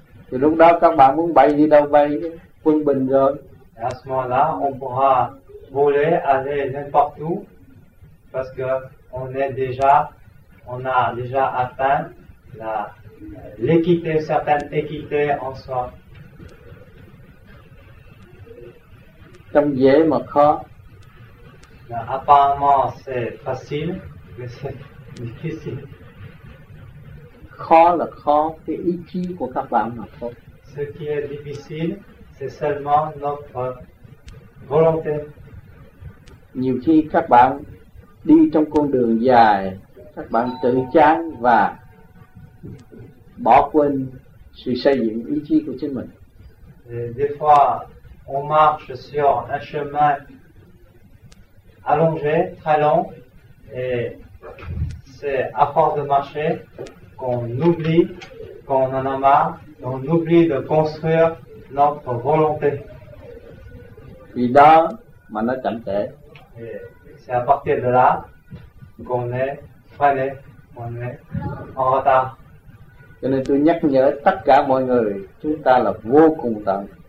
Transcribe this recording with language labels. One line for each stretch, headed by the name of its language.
Vietnamese: Thì lúc đó các bạn muốn bay đi đâu bay, quân bình rồi.
French: Et à ce moment-là, on pourra voler, aller n'importe où, parce que on a déjà atteint l'équité, certaine équité en soi.
Vietnamese: Trong dễ mà khó.
French: Là, apparemment c'est facile, mais c'est difficile.
Vietnamese: Khó là khó cái ý chí của các bạn mà thôi.
French: Ce qui est difficile, c'est seulement notre volonté.
Vietnamese: Nhiều khi các bạn đi trong con đường dài, các bạn tự chán và bỏ quên sự xây dựng ý chí của chính mình.
French: Des fois, on marche sur un chemin allongé, très long, et c'est à force de marcher qu'on oublie qu'on en a marre, qu'on oublie de construire notre volonté. Puis là,
Vietnamese: mà nó chậm trễ.
French: C'est à partir de là qu'on est freiné, qu'on est en retard.
Vietnamese: Cho nên tôi nhắc nhở tất cả mọi người, chúng ta là vô cùng tận.